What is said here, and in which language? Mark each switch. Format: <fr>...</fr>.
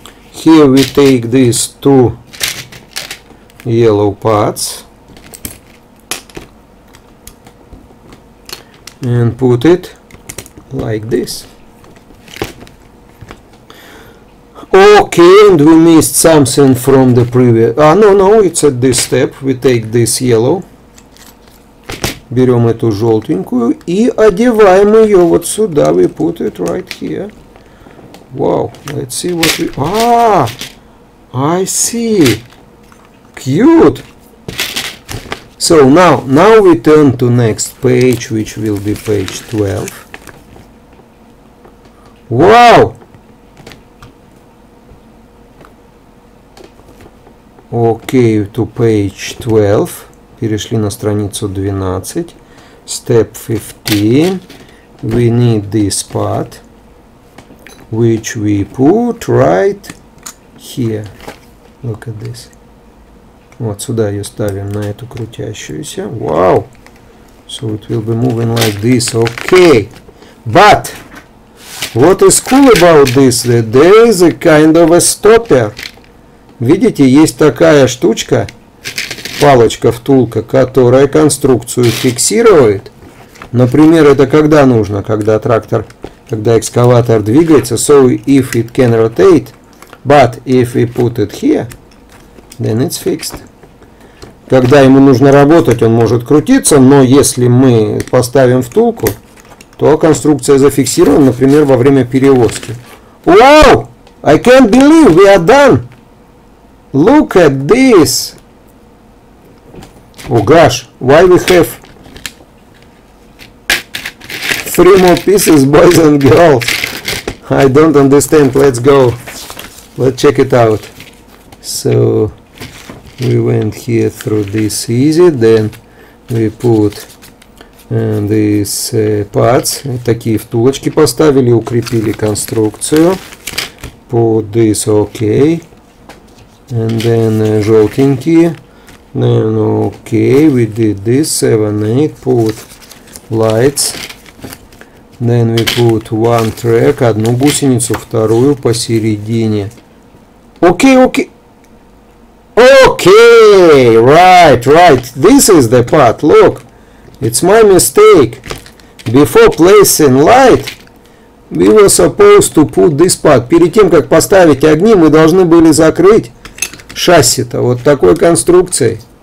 <en>Here we take these two yellow parts and put it like this. Okay, and we missed something from the previous. No, it's at this step. We take this yellow.</en> <ru>Берем эту желтенькую и одеваем ее вот сюда.</ru> <en>We put it right here. Wow, let's see what we... Ah, I see. Cute. So now we turn to next page, which will be page 12. Wow! Okay, to page 12. Перешли на страницу 12. Step 15. We need this part, which we put right here. Look at this.</en> <ru>Вот сюда ее ставим, на эту крутящуюся.</ru> <en>Wow! So it will be moving like this. Okay. But what is cool about this, that there is a kind of a stopper.</en> <ru>Видите, есть такая штучка, палочка-втулка, которая конструкцию фиксирует. Например, это когда нужно, когда трактор, когда экскаватор двигается.</ru> <en>So if it can rotate, but if we put it here, then it's fixed.</en> <ru>Когда ему нужно работать, он может крутиться, но если мы поставим втулку, то конструкция зафиксирована, например, во время перевозки.</ru> <en>Wow! I can't believe we are done! Look at this! Oh gosh, why we have three more pieces, boys and girls? I don't understand. Let's go. Let's check it out. So we went here through this easy, then we put these parts.</en> <ru>Такие втулочки поставили, укрепили конструкцию.</ru> <en>Put this, okay. And then желтенькие. Then okay, we did this, 7, 8. Put lights. Then we put one track, одну гусеницу, вторую посередине. Okay, okay. Okay, right. This is the part. Look, it's my mistake. Before placing light, we were supposed to put this part.</en> <ru>Перед тем, как поставить огни, мы должны были закрыть шасси-то вот такой конструкцией.</ru>